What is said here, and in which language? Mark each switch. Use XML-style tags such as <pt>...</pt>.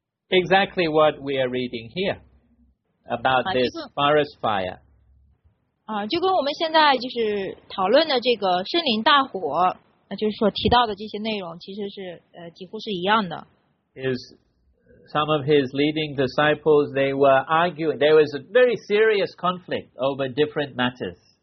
<en>Exactly what we are reading here about this forest fire.</en> <zh>就跟我们现在就是讨论的这个森林大火，就是所提到的这些内容，其实是几乎是一样的。</zh> <en>Some of his leading disciples, they were arguing. There was a very serious conflict over different matters.</en>